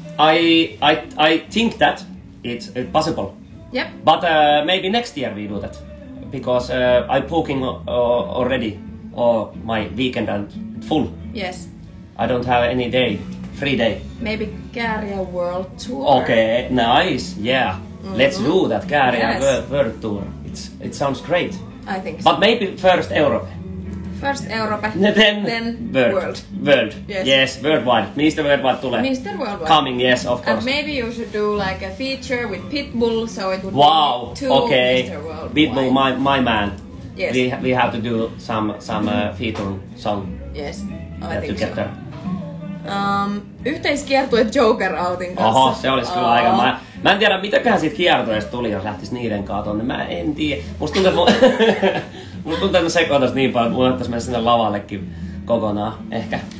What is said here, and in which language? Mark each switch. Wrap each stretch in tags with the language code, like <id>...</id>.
<en>I think that it's possible. Yep. But maybe next year we do that. Because I'm booking already. Or my weekend and full. Yes. I don't have any day, free day. Maybe Käärijä World Tour. Okay, nice, yeah. Mm-hmm. Let's do that Käärijä World Tour. It sounds great. I think so. But maybe first Europe. First Europe, then world. World, yes, worldwide. Mr. Worldwide tulee. Mr. Worldwide. Coming, yes, of course. And maybe you should do like a feature with Pitbull, so it would wow. be two okay. Mr. Worldwide. Pitbull, my man. Yes. We have to do some feature song. Yes, I think together. So.</en> <fi>Yhteiskiertue Joker outin kanssa. Oho, se olisi kyllä aika. Mä en tiedä, mitäköhän siitä kiertueesta tuli, jos lähtis niiden kaa tonne. Mä en tiedä. Musta tuntuu, että mä sekoitais niin paljon, että mun ottais mennä sinne lavallekin kokonaan, ehkä.</fi>